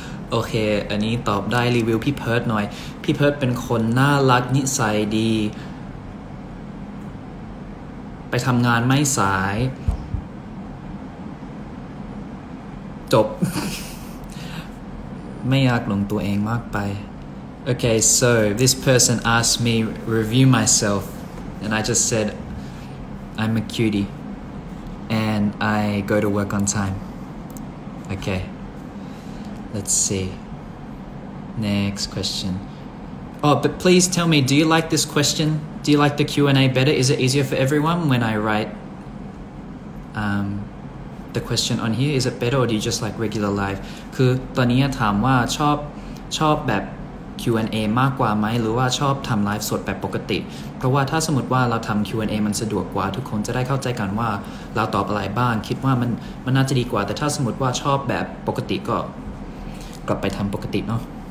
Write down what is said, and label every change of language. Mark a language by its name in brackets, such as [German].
[Thai] โอเคอันนี้ตอบได้รีวิวพี่เพิร์ทหน่อยพี่เพิร์ทเป็นคนน่ารักนิสัยดีไปทำงานไม่สายจบ ไม่อยากลงตัวเองมากไป [English] Okay so this person asked me review myself and I just said I'm a cutie and I go to work on timeOkay, let's see. Next question. Oh, but please tell me, do you like this question? Do you like the Q&A better? Is it easier for everyone when I write the question on here? Is it better or do you just like regular live? [Thai] คือตอนนี้ถามว่าชอบแบบ Q&A มากกว่าไหมหรือว่าชอบทำไลฟ์สดแบบปกติเพราะว่าถ้าสมมติว่าเราทำ Q&A มันสะดวกกว่าทุกคนจะได้เข้าใจกันว่าเราตอบอะไรบ้างคิดว่ามันน่าจะดีกว่าแต่ถ้าสมมติว่าชอบแบบปกติก็กลับไปทำปกติเนาะ